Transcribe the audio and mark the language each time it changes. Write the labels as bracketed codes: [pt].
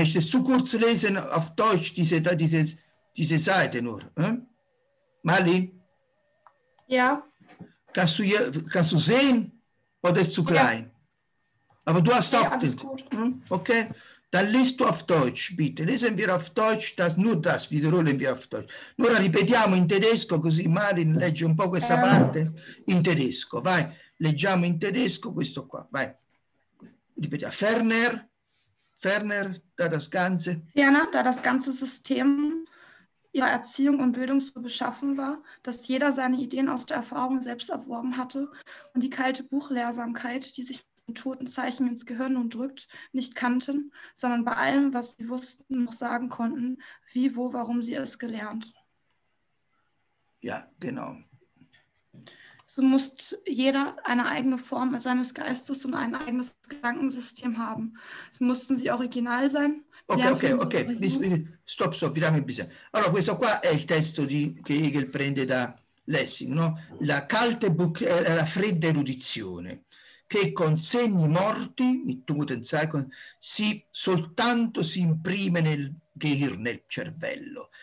[de] Möchtest du kurz lesen auf Deutsch diese Seite nur? Eh? Malin? Ja. Kannst du sehen oder ist zu klein? Ja. Aber du hast auch den. Okay, dann liest du auf Deutsch, bitte. Lesen wir auf Deutsch, nur das, wiederholen wir auf Deutsch. [it] Nur ripetiamo in tedesco, così Marin legge un po' questa parte in tedesco. Vai, leggiamo in tedesco questo qua, vai. Ripetiamo. [de] Ferner, da das Ganze. Ferner, da das Ganze System. Ihre Erziehung und Bildung so beschaffen war, dass jeder seine Ideen aus der Erfahrung selbst erworben hatte und die kalte Buchlehrsamkeit, die sich mit toten Zeichen ins Gehirn nun drückt, nicht kannten, sondern bei allem, was sie wussten, noch sagen konnten, wie, wo, warum sie es gelernt. Ja, genau. So muss jeder eine eigene Form seines Geistes und ein eigenes Gedankensystem haben. So mussten sie original sein. [it] Ok, stop, vediamo [de] un bisschen. [it] Allora, questo qua è il testo che Hegel prende da Lessing, no? La [de] kalte Buch, [it] la fredda erudizione, che con segni morti, [de] mit Toten Zeichen, [it] si soltanto si imprime nel Gehirn, nel cervello.